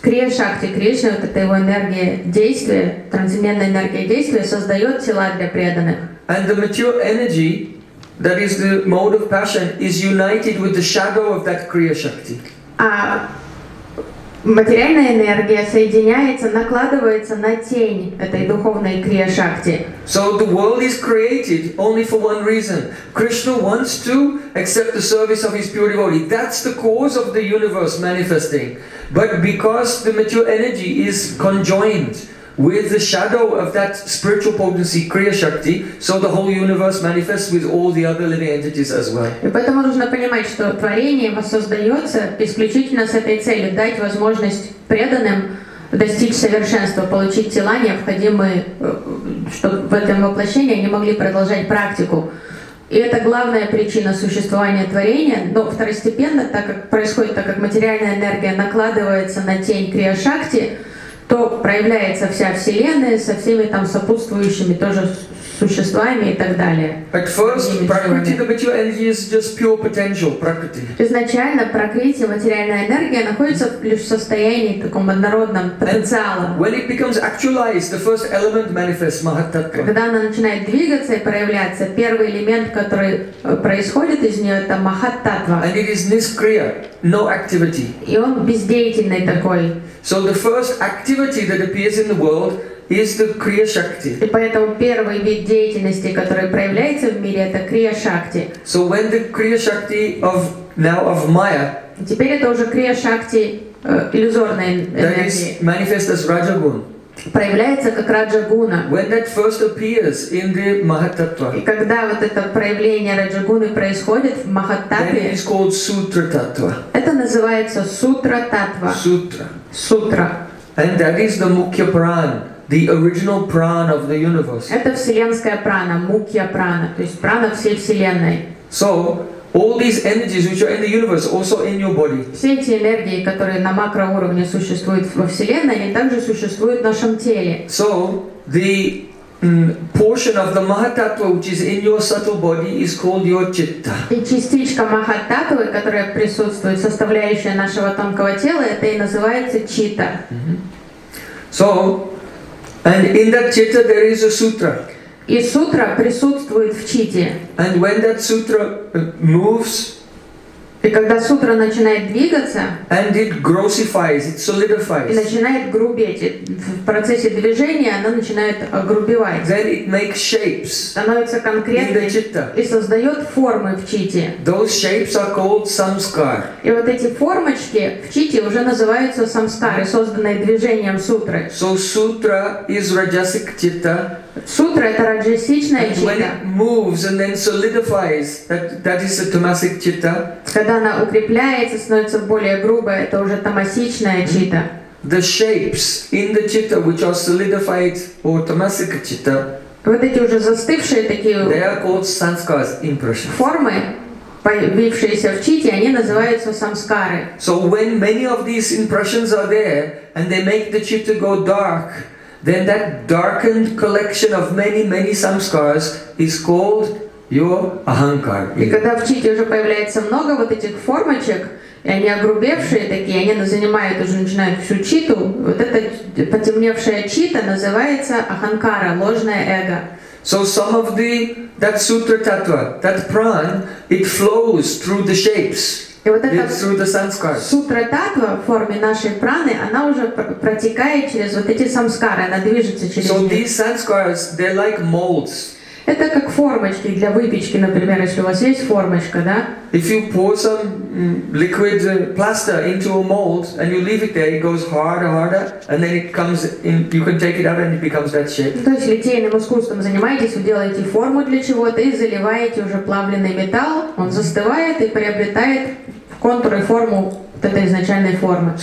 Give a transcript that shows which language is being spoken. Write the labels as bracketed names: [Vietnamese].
[Russian] Крия Шакти Кришна, вот эта его энергия действия, трансцендентная энергия действия, создает тела для преданных. [English] And the mature energy, that is the mode of passion, is united with the shadow of that Крия Шакти. [Russian] А материальная энергия соединяется, накладывается на тень этой духовной Крия Шакти. [English] So the world is created only for one reason. Krishna wants to accept the service of his pure devotee. That's the cause of the universe manifesting. But because the material energy is conjoined with the shadow of that spiritual potency, Kriya Shakti, so the whole universe manifests with all the other living entities as well. [Russian] И поэтому нужно понимать, что творение воссоздается исключительно с этой целью, дать возможность преданным достичь совершенства, получить тела, необходимые, чтобы в этом воплощении они могли продолжать практику. И это главная причина существования творения, но второстепенно, так как происходит, так как материальная энергия накладывается на тень Крия Шакти, то проявляется вся Вселенная со всеми там сопутствующими тоже существами и так далее. [English] At first, prakriti, the material energy is just pure potential, prakriti. [Russian] Изначально prakriti, материальная энергия, находится лишь в состоянии таком однородном потенциала. [English] And when it becomes actualized, the first element manifests, mahatattva. [Russian] Когда она начинает двигаться и проявляться, первый элемент, который происходит из нее, это mahatattva. [English] And it is niskriya, no activity. [Russian] И он бездеятельный такой. [English] So the first activity that appears in the world is the Kriya Shakti. [Russian] И поэтому первый вид деятельности, который проявляется в мире, это Kriya Shakti. [English] So when the Kriya Shakti of now of Maya. [Russian] Теперь это уже Kriya Shakti иллюзорной энергии. [English] Manifest as Rajagun. [Russian] Проявляется как Раджагуна. [English] When that first appears in the Mahatattva. [Russian] И когда вот это проявление Раджагуны происходит в Махаттаве, [English] then it is called Sutra Tattva. [Russian] Это называется Сутра Таттва. Сутра. Сутра. [English] And that is the Mukhya Pran, the original Pran of the universe. [Russian] Это вселенская прана, Mukhya Prana, то есть прана всей вселенной. [English] So all these energies which are in the universe also in your body. [Russian] Все эти энергии, которые на макроуровне существуют во вселенной, они также существуют в нашем теле. [English] So the portion of the Mahatattva which is in your subtle body is called your chitta. [Russian] И частичка Mahatattva, которая присутствует, составляющая нашего тонкого тела, это и называется чита. [English] So and in that chitta there is a sutra. [Russian] И сутра присутствует в чите. [English] And when that sutra moves, [Russian] и когда сутра начинает двигаться, [English] and it grossifies, it solidifies, [Russian] и начинает грубеть, в процессе движения она начинает огрубевать. [English] Then it makes shapes, [Russian] становится конкретной и создает формы в чите. [English] Those shapes are called samskar. [Russian] И вот эти формочки в чите уже называются самскары, созданные движением сутры. [English] So sutra is rajasic chitta. [Russian] Сутра — это раджасичная чита. [English] When it moves and then solidifies, that is a tamasic chitta. [Russian] Когда она укрепляется, становится более грубой, это уже тамасичная чита. [English] The shapes in the chitta which are solidified or tamasic chitta. [Russian] Вот эти уже застывшие такие. [English] They are called sanskars, impressions. [Russian] Формы, появившиеся в чите, они называются самскары. [English] So when many of these impressions are there and they make the chitta go dark, then that darkened collection of many, many samskars is called your ahankar. [Russian] И когда в чите уже появляется много вот этих формочек, и они огрубевшие такие, они занимают уже, начинают всю читу, вот эта потемневшая чита называется аханкара, ложное эго. [English] So some of the, that sutra tattva, that pran, it flows through the shapes. [Russian] И вот эта сутра-таттва в форме нашей праны, она уже протекает через вот эти самскары, она движется через них. [English] So these sanskars, they're like molds. [Russian] Это как формочки для выпечки, например, если у вас есть формочка, да? [English] If you pour some liquid plaster into a mold and you leave it there, it goes harder, and then it comes in, you can take it out and it becomes that shape. [Russian] То есть литейным искусством занимаетесь, вы делаете форму для чего-то и заливаете уже плавленый металл, он застывает и приобретает контуры, форму вот этой изначальной формы.